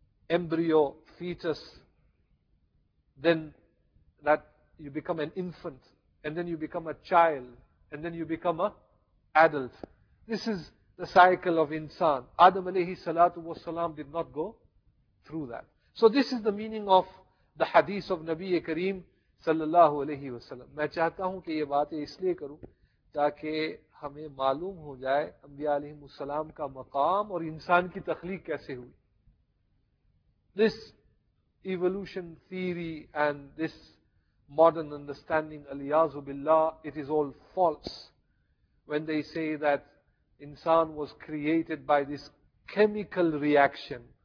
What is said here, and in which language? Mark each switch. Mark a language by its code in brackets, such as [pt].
[en] Embryo, fetus, then that you become an infant, and then you become a child, and then you become an adult. This is the cycle of insan. Adam alayhi salatu wa salam did not go through that. So this is the meaning of the hadith of Nabi Kareem sallallahu alayhi wa sallam. [ur] Main chahta hoon ki ye baatein isliye karun تاکہ ہمیں معلوم ہو جائے انبیاء علیہ السلام کا مقام اور انسان کی تخلیق کیسے ہوئی. [en] This evolution theory and this modern understanding, الیاذ باللہ, it is all false. When they say that انسان was created by this chemical reaction.